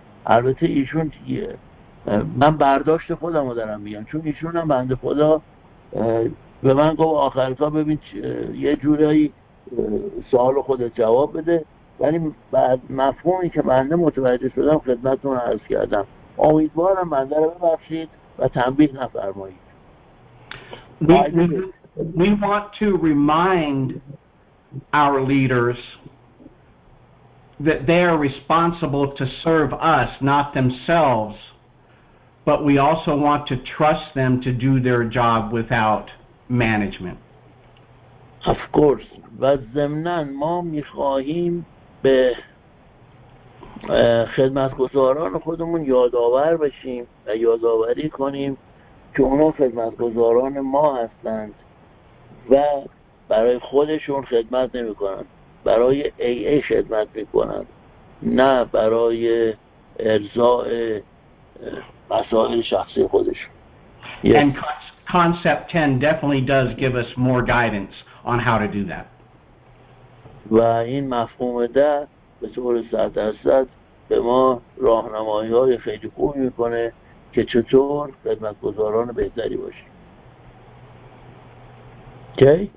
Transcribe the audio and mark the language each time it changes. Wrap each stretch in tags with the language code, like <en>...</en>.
<fa>البته ایشون دیگه، من برداشت خودم رو دارم میگم، چون ایشون هم بنده خدا به من گفت آخر کار ببین یه جورایی سوال خودت جواب بده، ولی بعد مفهومی که بنده متوجه شدم خدمتتون عرض کردم. امیدوارم بنده رو ببخشید و تنبیه نفرمایید.</fa> <en>We want to remind our leaders that they are responsible to serve us, not themselves, but we also want to trust them to do their job without management. Of course.</en> <fa>و ضمناً ما می‌خواهیم به خدمتگزاران خودمون یادآور بشیم و یادآوری کنیم که اونا خدمتگزاران ما هستند و برای خودشون خدمت نمی کنند، برای ای ای خدمت می کنند، نه برای ارضاء مسائل شخصی خودشون.</fa> <en>Yes. And concept 10 definitely does give us more guidance on how to do that.</en> <fa>و این مفهوم ده به طور 100% به ما راهنمایی های خیلی خوب می کنه که چطور خدمتگزاران بهتری باشیم. Okay.</fa>